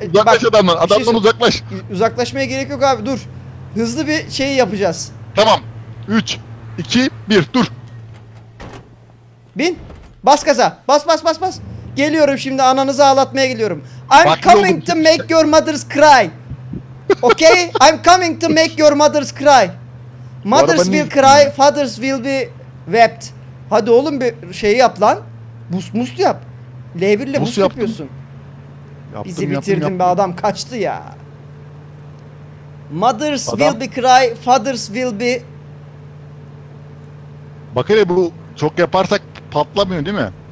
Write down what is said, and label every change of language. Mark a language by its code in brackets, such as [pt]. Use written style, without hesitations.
[tr] Uzaklaş bak, adamdan. Adamdan şey, uzaklaş. Uzaklaşmaya gerek yok abi. Dur. Hızlı bir şey yapacağız. Tamam. 3, 2, 1. Dur. Bin. Bas gaza. Bas bas bas bas. Geliyorum şimdi, ananızı ağlatmaya geliyorum. [en] I'm [tr] bak, [en] coming to make [tr] işte. [en] Your mothers cry. Okay? I'm coming to make your mothers cry. Mothers will cry, fathers will be wept. [tr] Hadi oğlum bir şey yap lan. Must yap. L1 ile must yapıyorsun. Yaptım, bizi yaptım, bitirdin yaptım. Be adam, kaçtı ya. [en] Mothers [tr] adam. [en] Will be cry, fathers will be... [tr] Bak hele bu çok yaparsak patlamıyor değil mi?